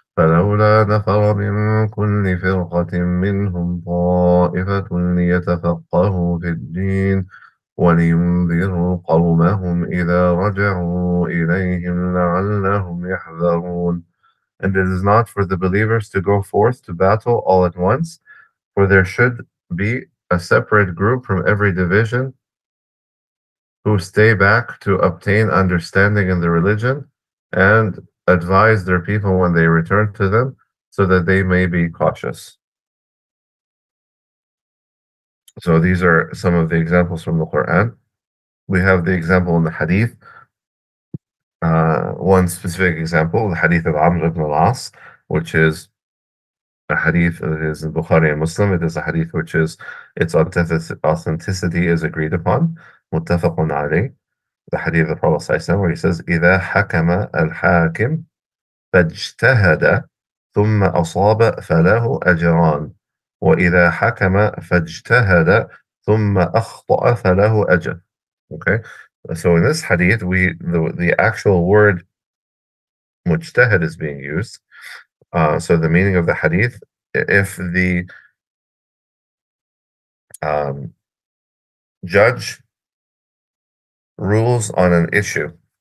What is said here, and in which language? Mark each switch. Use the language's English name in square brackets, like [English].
[Arabic] فلولا نفر من كل فرقة منهم طائفة ليتفقهوا في الدين ولينذروا قومهم إذا رجعوا إليهم لعلهم يحذرون. [English] And it is not for the believers to go forth to battle all at once, for there should be a separate group from every division who stay back to obtain understanding in the religion and advise their people when they return to them so that they may be cautious. So these are some of the examples from the Quran. We have the example in the Hadith. One specific example, the Hadith of Amr ibn al-As, which is a Hadith that is in Bukhari and Muslim. It is a Hadith which is, its authenticity is agreed upon. Muttafaqun alayh. The Hadith of the Prophet [Arabic] صلى الله عليه وسلم, [English] where he says, [Arabic] إِذَا حَكَمَ الْحَاكِمْ فَاجْتَهَدَ ثُمَّ أَصَابَ فَلَهُ أَجْرَانَ وَإِذَا حَكَمَ فَاجْتَهَدَ ثُمَّ أَخْطَأَ فَلَهُ أَجْرَ. [English] Okay. So in this hadith, the actual word mujtahid is being used. So the meaning of the hadith, if the judge rules on an issue